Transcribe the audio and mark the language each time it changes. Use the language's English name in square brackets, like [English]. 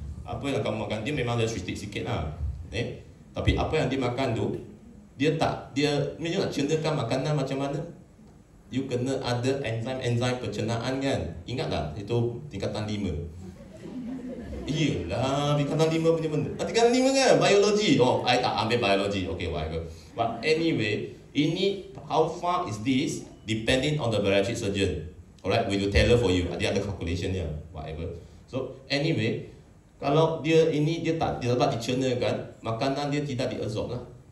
[Malay] Apa yang kamu makan, dia memang dia restrict sikit lah. Tapi apa yang dia makan tu, dia nak cernakan makanan macam mana. You kena ada enzyme pencernaan kan. Ingat tak, itu tingkatan 5. Iyalah, tingkatan 5 punya benda. Tingkatan 5 kan, biologi. [English] Oh, I [Malay] tak ambil biologi. [English] Okay, whatever. But anyway, [Malay] ini, [English] how far is this, depending on the bariatric surgeon. Alright, we do tailor for you. [Malay] Dia ada calculation dia, [English] whatever. [Malay] So, anyway, kalau dia ini dia tak dapat dicerna kan, makanan dia tidak diabsorb lah.